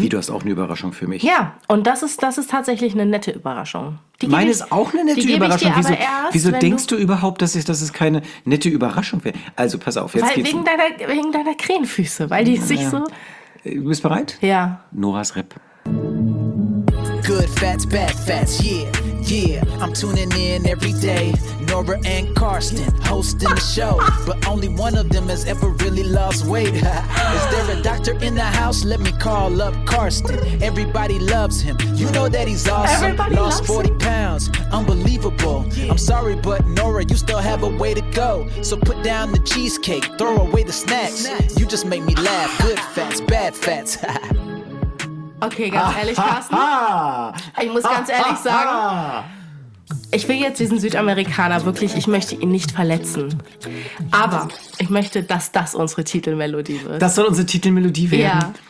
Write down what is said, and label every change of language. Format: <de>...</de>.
<de>Wie, du hast auch eine Überraschung für mich? Ja, und das ist tatsächlich eine nette Überraschung. Meine ist auch eine nette Überraschung. Wieso, denkst du überhaupt, dass es keine nette Überraschung wäre? Also, pass auf, jetzt geht's. Wegen deiner Krähenfüße, weil die sich so... Du bist bereit? Ja. Noras Rap.</de> <en>Good fats, bad fats, yeah, I'm tuning in every day. Nora and Carsten hosting the show, but only one of them has ever really lost weight. Is there a doctor in the house? Let me call up Carsten. Everybody loves him. You know that he's awesome. Everybody lost 40 pounds. Unbelievable. I'm sorry, but Nora, you still have a way to go. So put down the cheesecake, throw away the snacks. You just make me laugh. Good fats, bad fats.</en> <de>Okay, ganz ehrlich, Carsten, ich muss ganz ehrlich sagen, ich will jetzt diesen Südamerikaner wirklich, ich möchte ihn nicht verletzen, aber ich möchte, dass das unsere Titelmelodie wird. Das soll unsere Titelmelodie werden? Ja.</de>